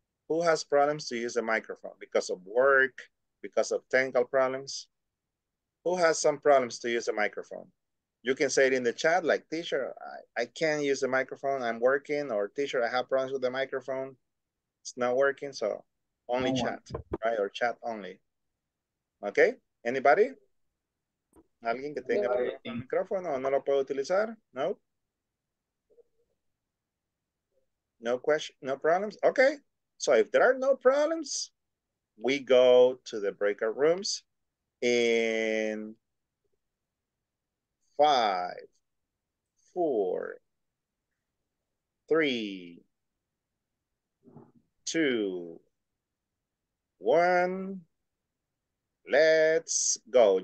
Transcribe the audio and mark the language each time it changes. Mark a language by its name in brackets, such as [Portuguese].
[English] Who has problems to use the microphone because of work, because of technical problems? who has some problems to use a microphone? You can say it in the chat, like, teacher, I can't use the microphone, I'm working, or teacher, I have problems with the microphone, it's not working, so only no chat, right, or chat only. Okay, anybody? [Spanish] ¿Alguien que tenga problema con el micrófono o no lo puede utilizar? [English] No? No question, no problems? Okay, so if there are no problems, we go to the breakout rooms in 5, 4, 3, 2, 1, let's go.